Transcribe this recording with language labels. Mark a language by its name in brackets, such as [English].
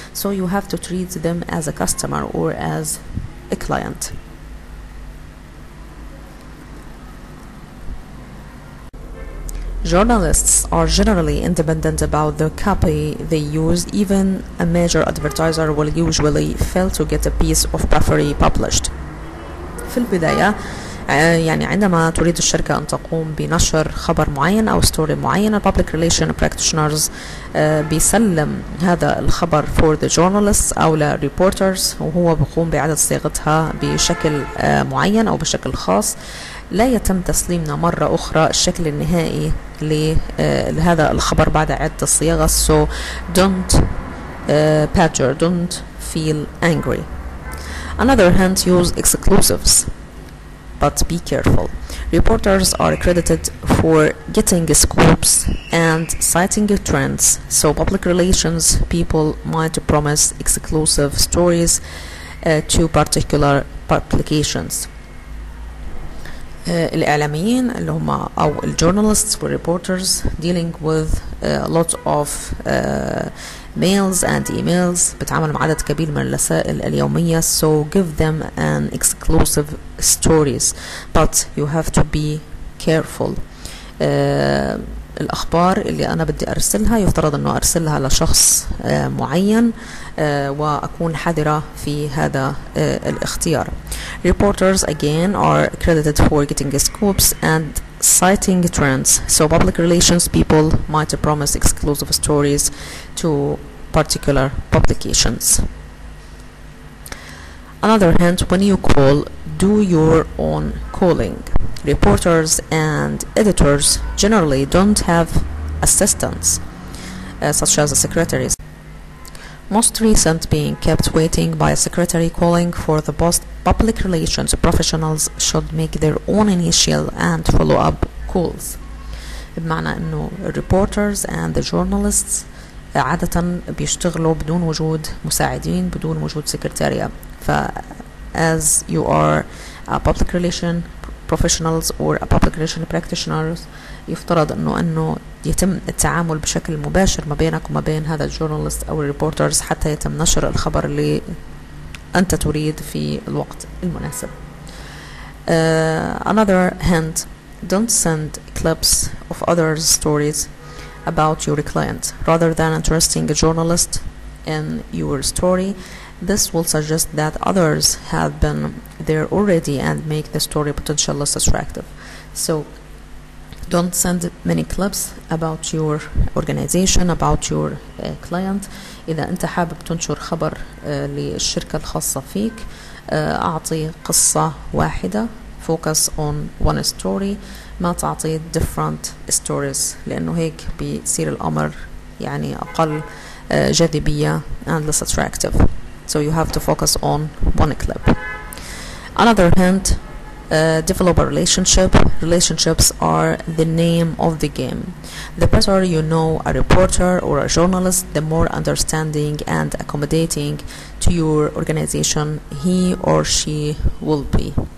[English] So you have to treat them as a customer or as a client. Journalists are generally independent about the copy they use. Even a major advertiser will usually fail to get a piece of puffery published. [Arabic] في البداية يعني عندما تريد الشركة أن تقوم بنشر خبر معين أو ستوري معين, public relations practitioners بيسلم هذا الخبر [English] for the journalists [Arabic] أو reporters, وهو بيقوم بإعادة صياغتها بشكل معين أو بشكل خاص. لا يتم تسليمنا مرة أخرى الشكل النهائي لهذا الخبر بعد عدة صياغة. [English] So don't badger, don't feel angry. Another hand, use exclusives, but be careful. Reporters are credited for getting scoops and citing trends, so public relations people might promise exclusive stories to particular publications. [Arabic] الإعلاميين اللي هم أو الجورناليست والريبورترز [English] dealing with a lot of mails and emails, [Arabic] بتعامل مع عدد كبير من الرسائل اليومية, [English] so give them an exclusive stories, but you have to be careful. [Arabic] الأخبار اللي أنا بدي أرسلها يفترض أنه أرسلها لشخص معين, وأكون حذرة في هذا الاختيار. [English] Reporters again are credited for getting scoops and citing trends, so public relations people might promise exclusive stories to particular publications. Another hint, when you call, do your own calling. Reporters and editors generally don't have assistants such as a secretary, most recent being kept waiting by a secretary calling for the post. Public relations professionals should make their own initial and follow-up calls. [Arabic] بمعنى انه [English] reporters and the journalists [Arabic] عادة بيشتغلوا بدون وجود مساعدين, بدون وجود سكرتارية. ف [English] as you are a public relation professionals or a public relation practitioners, [Arabic] يفترض انه يتم التعامل بشكل مباشر ما بينك وما بين هذا الجورنالست او الريبورترز حتى يتم نشر الخبر اللي انت تريد في الوقت المناسب. [English] Another hint, Don't send clips of others' stories about your client. Rather than interesting a journalist in your story, this will suggest that others have been there already and make the story potentially less attractive. So don't send many clips about your organization, about your client. [Arabic] إذا أنت حابب تنشر خبر للشركة الخاصة فيك أعطي قصة واحدة. [English] Focus on one story. [Arabic] ما تعطي [English] different stories [Arabic] لأنه هيك بيصير الأمر يعني أقل جاذبية [English] and less attractive. So you have to focus on one clip. Another hint, develop a relationship. Relationships are the name of the game. The better you know a reporter or a journalist, the more understanding and accommodating to your organization he or she will be.